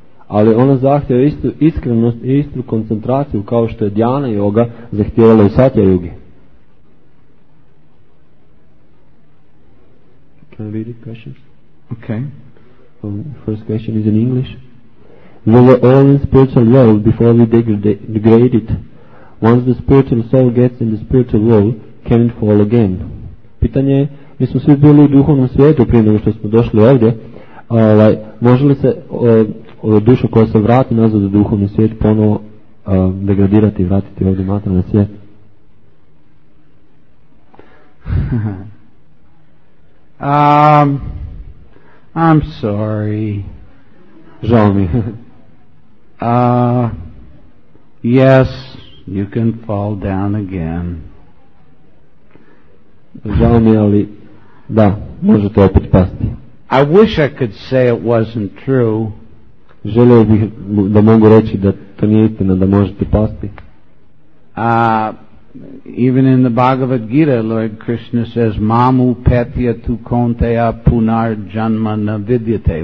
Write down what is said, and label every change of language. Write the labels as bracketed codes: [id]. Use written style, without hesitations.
[hr] Ali ona zahtjeva istu iskrenost i istu koncentraciju kao što je Dhyana Yoga zahtjevala u Satya Yugi. [en] Can I read it, questions? Okay. First question is in English. We were all in spiritual world before we degraded. Once the spiritual soul gets in the spiritual world, can it fall again? [hr] Pitanje je, mi smo svi bili u duhovnom svijetu prije nego što smo došli ovdje. Može li se duša koja se vrati nazad u duhovni svijet ponovo degradirati i vratiti ovdje materijalni svijet? [en] I'm sorry. [hr] Žao mi. [en] Yes, you can fall down again. [hr] Žao mi, ali da, možete opet pasti. [en] I wish I could say it wasn't true. [hr] Želio bih da mogu reći da to nije istina, da možete pasti. [en] Even in the Bhagavad Gita, Lord Krishna says, [sa] Mamu petya tu konteya punar janma na vidyate.